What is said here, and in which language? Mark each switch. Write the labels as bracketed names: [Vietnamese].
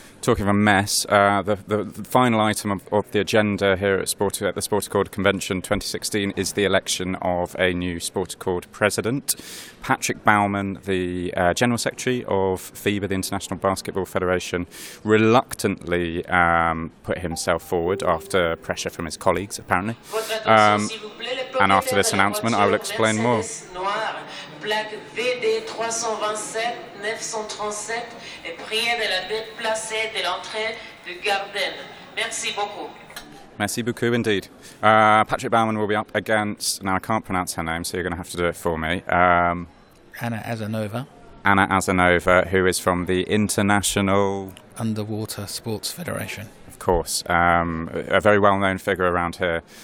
[English] Talking of a mess, the final item of the agenda here at the Sport Accord Convention 2016 is the election of a new Sport Accord president. Patrick Bowman, the General Secretary of FIBA, the International Basketball Federation, reluctantly put himself forward after pressure from his colleagues, apparently. And after this announcement, I will explain more. [French] Plaque VD327-937 est priée de la déplacer de l'entrée du Garden. Merci beaucoup. Merci beaucoup [English] indeed. Patrick Bowman will be up against, now I can't pronounce her name, so you're going to have to do it for me. Anna Azanova. Anna Azanova, who is from the International Underwater Sports Federation. Of course, a very well-known figure around here.